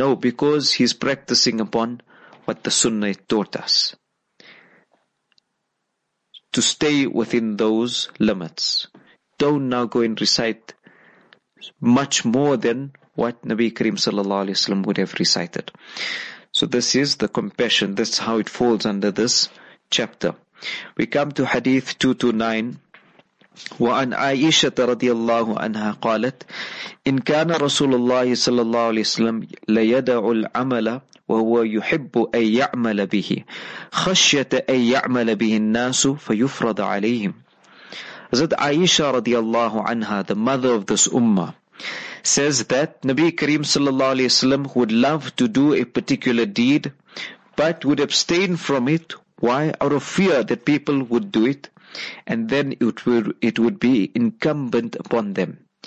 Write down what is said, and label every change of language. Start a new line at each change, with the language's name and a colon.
English: No, because he's practicing upon what the Sunnah taught us, to stay within those limits. Don't now go and recite much more than what Nabi Karim sallallahu alayhi wa sallam would have recited. So this is the compassion. That's how it falls under this chapter. We come to Hadith 229.
Arabic: وعن عائشة رضي الله عنها قالت إن كان رسول الله صلى الله عليه وسلم ليدع العمل وهو يحب أن يعمل به خشية أن يعمل به الناس فيفرض عليهم.
English: حضرت عائشة رضي الله عنها, the mother of this ummah, says that Nabi Kareem صلى الله عليه وسلم would love to do a particular deed but would abstain from it. Why? Out of fear that people would do it, and then it would be incumbent upon them.